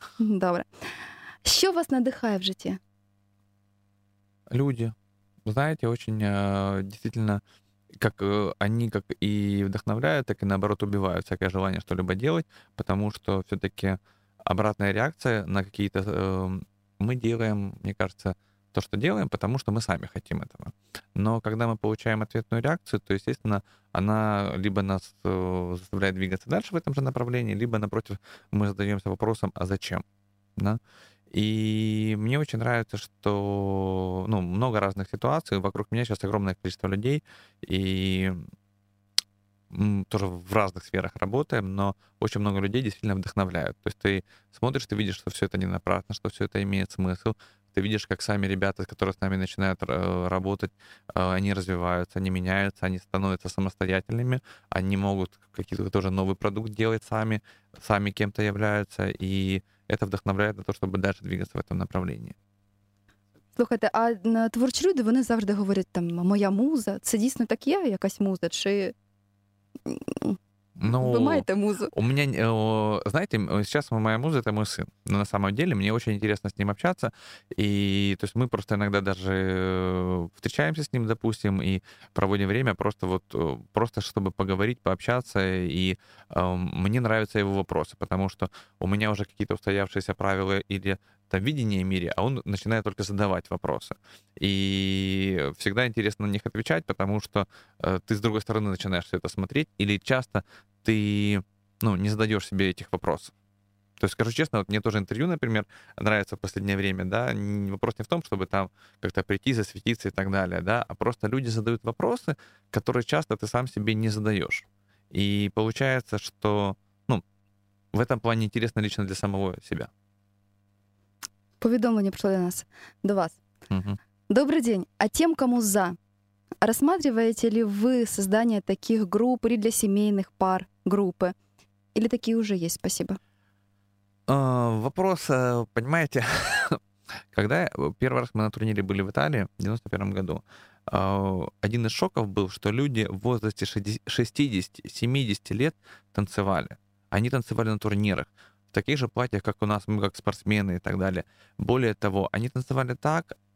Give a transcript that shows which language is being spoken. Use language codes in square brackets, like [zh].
[uk] Добре. Що вас надихає в житті? Люди. Знаєте, очень дійсно, як вони як і вдохновляють, так і наоборот убивають всяке желання щось робити, тому що все-таки обратна реакція на якісь... Ми робимо, мені кажеться, [ru] то, что делаем, потому что мы сами хотим этого. Но когда мы получаем ответную реакцию, то, естественно, она либо нас заставляет двигаться дальше в этом же направлении, либо, напротив, мы задаемся вопросом, а зачем? Да? И мне очень нравится, что ну, много разных ситуаций. Вокруг меня сейчас огромное количество людей, и тоже в разных сферах работаем, но очень много людей действительно вдохновляют. То есть ты смотришь, ты видишь, что все это не напрасно, что все это имеет смысл. Ты видишь, как сами ребята, которые с нами начинают работать, они развиваются, они меняются, они становятся самостоятельными, они могут какие-то тоже новый продукт делать сами, сами кем-то являются, и это вдохновляет на то, чтобы дальше двигаться в этом направлении. [uk] Слухайте, а творчі люди, вони завжди говорять, там, моя муза, це дійсно так є, якась муза, чи... Ну, вы маете музу. [ru] У меня, знаете, сейчас моя муза — это мой сын. Но на самом деле мне очень интересно с ним общаться. И то есть мы просто иногда даже встречаемся с ним, допустим, и проводим время просто вот, просто чтобы поговорить, пообщаться. И мне нравятся его вопросы, потому что у меня уже какие-то устоявшиеся правила или там видение мира, а он начинает только задавать вопросы. И всегда интересно на них отвечать, потому что ты с другой стороны начинаешь все это смотреть, или часто ты ну, не задаешь себе этих вопросов. То есть, скажу честно, вот мне тоже интервью, например, нравится в последнее время, да, вопрос не в том, чтобы там как-то прийти, засветиться и так далее, да, а просто люди задают вопросы, которые часто ты сам себе не задаешь. И получается, что ну, в этом плане интересно лично для самого себя. [uk] Повідомлення прийшло до нас, до вас. Угу. Добрий день. А тим, кому за, розглядаєте ли ви створення таких груп і для сімейних пар групи? Или такі вже є? Спасибо. [ru] Вопрос, понимаете, когда первый раз мы на турнире были в Италии в 91 году, один из шоков был, что люди в возрасте 60-70 лет танцевали. Они танцевали на турнирах. В таких же платьях, как у нас, мы как спортсмены и так далее. Более того, они танцевали так,